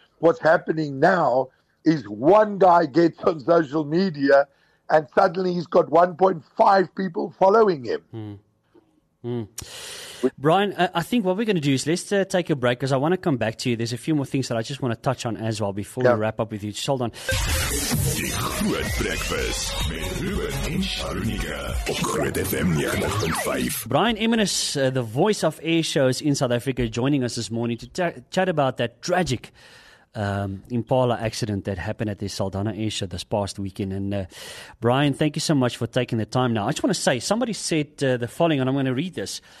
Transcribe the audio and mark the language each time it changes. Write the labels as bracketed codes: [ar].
[en] What's happening now is one guy gets on social media and suddenly he's got 1.5 people following him. Mm. Brian, I think what we're going to do is let's take a break because I want to come back to you. There's a few more things that I just want to touch on as well before we wrap up with you. Just hold on. [af] Die Groot Breakfast met Ruben en Sharunika op Groot FM 90.5. [en] Brian Emmenis, the voice of air shows in South Africa, joining us this morning to chat about that tragic Impala accident that happened at the Saldanha Airshow this past weekend. And Brian, thank you so much for taking the time. Now, I just want to say, somebody said the following, and I'm going to read this.